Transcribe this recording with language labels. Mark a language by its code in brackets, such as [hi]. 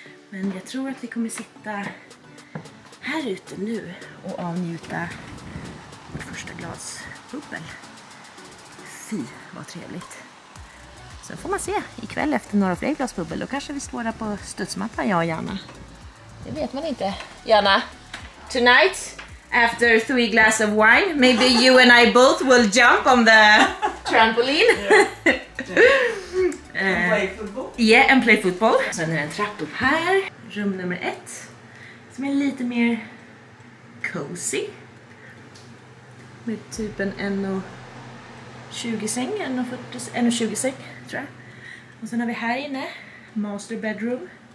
[sv] Men jag tror att vi kommer sitta här ute nu och avnjuta vårt första glas bubbel. Fy, vad trevligt. Sen får man se, ikväll efter några fler glas bubbel, då kanske vi står där på studsmattan, jag och Jana. Det vet man inte. [en] Jana, tonight after 3 glass of wine, maybe you and I both will jump on the trampoline. And play football. [sv] Sen är det en trapp upp här. Rum nummer 1. Som är lite mer cozy. Med typ en 1,20 säng. 1,20 säng, tror jag. Och sen har vi här inne master bedroom.